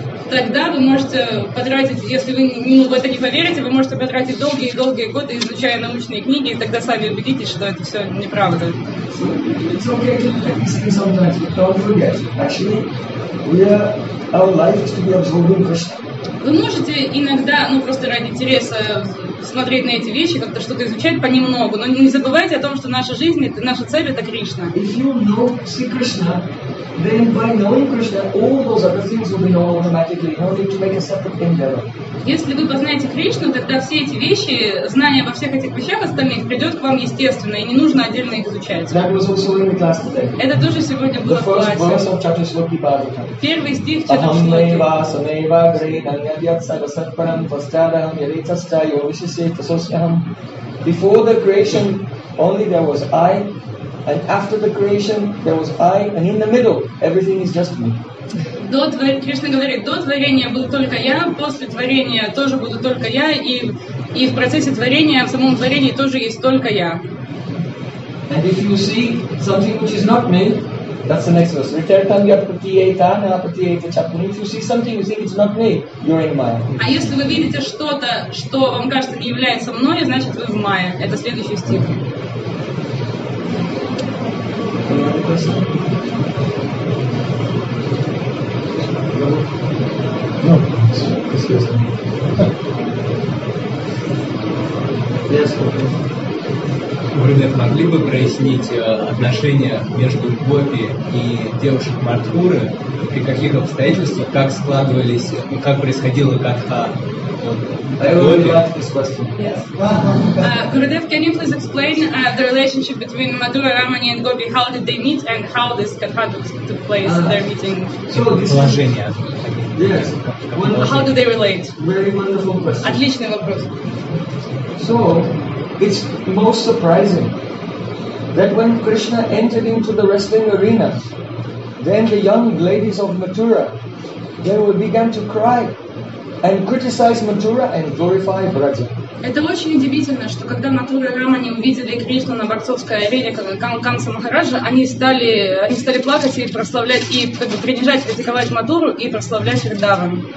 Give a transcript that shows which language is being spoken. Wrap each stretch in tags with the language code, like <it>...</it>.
<ru>Тогда вы можете потратить, если вы в это не поверите, вы можете потратить долгие-долгие годы, изучая научные книги, и тогда сами убедитесь, что это все неправда.</ru> <en>It's okay to look at these things sometimes, but don't forget. Actually, our life is to be absorbing Krishna.</en> <ru>Вы можете иногда, ну просто ради интереса, смотреть на эти вещи, как-то что-то изучать понемногу, но не забывайте о том, что наша жизнь, наша цель — это Кришна.</ru> <en>If you know, see Krishna, then by knowing Krishna, all those other things will be known automatically. No need to make a separate endeavor.</en> <ru>Если вы познаете Кришну, тогда все эти вещи, знания обо всех этих вещах остальных придет к вам естественно, и не нужно отдельно их изучать.</ru> <en>That was also in the class today.</en> <ru>Это тоже сегодня было в классе.</ru> <en>The first verse of Chatushloki Bhagavatam.</en> <ru>Первый стих Чатушлоки.</ru> <sa>Aham naiva sameva gredanyadyat sarasatparam pastyadaham yaritasta yovishisita sosyaham.</sa> <en>Before the creation, only there was I. And after the creation, there was I, and in the middle, everything is just me.</en> <ru>Кришна говорит, до творения был только я, после творения тоже буду только я, и в процессе творения, в самом творении тоже есть только я.</ru> <en>And if you see something which is not me, that's the next verse.</en> <sa>Ritartanya patiyetana patiyetachapun.</sa> <en>If you see something, you think it's not me, you're in Maya.</en> <ru>А если вы видите что-то, что вам кажется не является мной, значит вы в Майе. Это следующий стих.</ru> <en>No, it's yes. Yes.</en> <ru>Например, могли бы прояснить отношения между Гопи и девушек Мадхуры, при каких обстоятельствах, как складывались, ну, как происходило катха?</ru> <en>Gurudev, can you please explain the relationship between Madhura Ramani and Gopi? How did they meet and how this katha took place in their meeting?</en> <ru>Положение.</ru> <en>Yes. How do they relate? Very wonderful question.</en> <ru>Отличный вопрос.</ru> <en>So, it's most surprising that when Krishna entered into the wrestling arena, then the young ladies of Mathura, they began to cry. And criticize Mathura and glorify Braja.</en> <ru>Это очень удивительно, что когда Матура и Рамани увидели Кришну на борцовской арене Канса Махараджа, они стали плакать и прославлять, и как бы принижать, критиковать Матуру и прославлять Вриндаван.</ru>